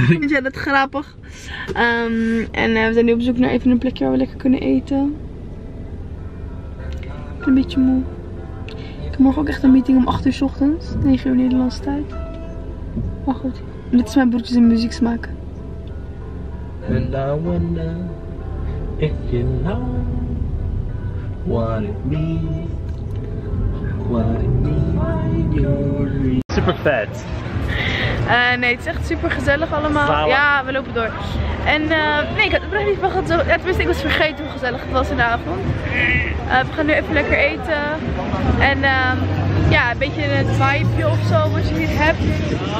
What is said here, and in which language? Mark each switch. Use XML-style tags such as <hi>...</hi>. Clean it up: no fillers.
<nl>Ik vind het grappig. We zijn nu op zoek naar even een plekje waar we lekker kunnen eten. Ik ben een beetje moe. Ik heb morgen ook echt een meeting om 8 uur 's ochtends. 9 uur Nederlandse tijd. Maar goed, dit is mijn broertjes in muzieksmaak.</nl> <en>And I wonder If you know what it means, what it means, you're</en> <nl>super vet. Nee, het is echt super gezellig allemaal. Zalig. Ja, we lopen door. En nee, ik had het niet van gehad. Ja, tenminste, ik was vergeten hoe gezellig het was in de avond. We gaan nu even lekker eten. En ja, een beetje het vibe of zo, wat je hier hebt.</nl>